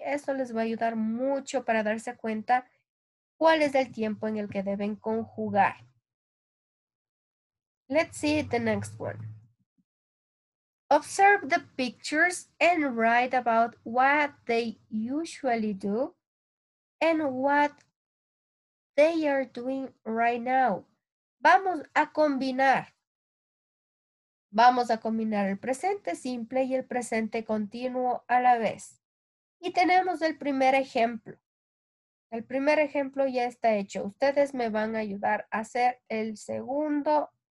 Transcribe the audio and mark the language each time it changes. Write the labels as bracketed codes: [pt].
[es] Eso les va a ayudar mucho para darse cuenta cuál es el tiempo en el que deben conjugar. [en] Let's see the next one. Observe the pictures and write about what they usually do and what they are doing right now. [es] Vamos a combinar el presente simple y el presente continuo a la vez. Y tenemos el primer ejemplo. El primer ejemplo ya está hecho. Ustedes me van a ayudar a hacer el segundo